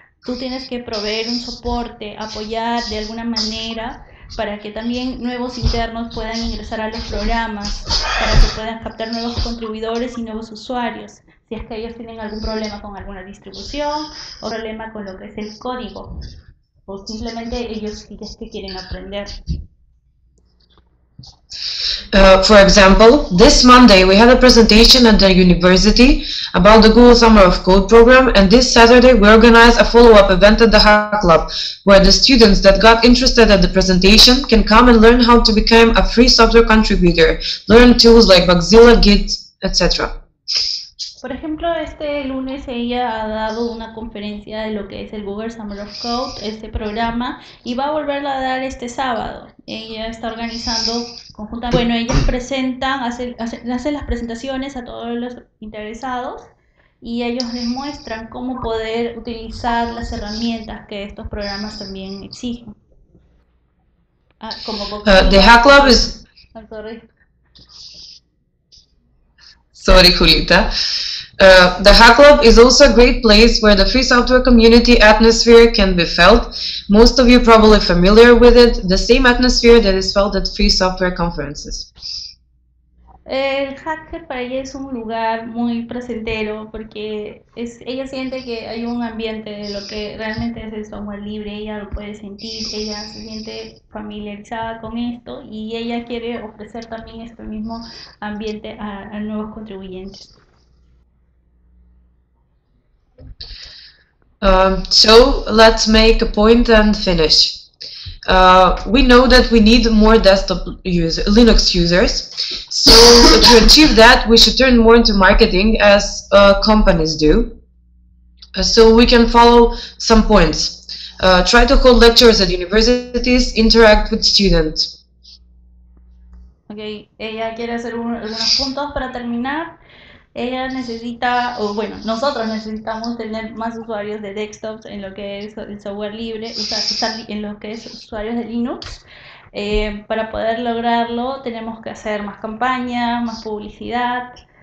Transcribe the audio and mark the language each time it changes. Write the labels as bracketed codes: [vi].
[es] Tú tienes que proveer un soporte, apoyar de alguna manera para que también nuevos internos puedan ingresar a los programas, para que puedan captar nuevos contribuidores y nuevos usuarios, si es que ellos tienen algún problema con alguna distribución o problema con lo que es el código, o simplemente ellos ya es que quieren aprender. [en] For example, this Monday we had a presentation at the university about the Google Summer of Code program, and this Saturday we organized a follow-up event at the Hack Club, where the students that got interested at the presentation can come and learn how to become a free software contributor, learn tools like Bugzilla, Git, etc. [es] Por ejemplo, este lunes ella ha dado una conferencia de lo que es el Google Summer of Code, este programa, y va a volverla a dar este sábado. Ella está organizando conjuntamente. Bueno, ellas presentan, hacen las presentaciones a todos los interesados y ellos les muestran cómo poder utilizar las herramientas que estos programas también exigen. [en] The Hack Club is... Sorry, Julita. The Hack Club is also a great place where the free software community atmosphere can be felt. Most of you probably familiar with it, the same atmosphere that is felt at free software conferences. [es] El hacker para ella es un lugar muy presentero porque ella siente que hay un ambiente de lo que realmente es el software libre, ella lo puede sentir, ella se siente familiarizada con esto y ella quiere ofrecer también este mismo ambiente a nuevos contribuyentes. [en] So let's make a point and finish. We know that we need more desktop users, Linux users. So to achieve that, we should turn more into marketing as companies do. So we can follow some points. Try to hold lectures at universities, interact with students. [es] Okay, ella quiere hacer unos puntos para terminar. Ella necesita, o bueno, nosotros necesitamos tener más usuarios de desktops en lo que es el software libre, en lo que es usuarios de Linux. Para poder lograrlo, tenemos que hacer más campañas, más publicidad.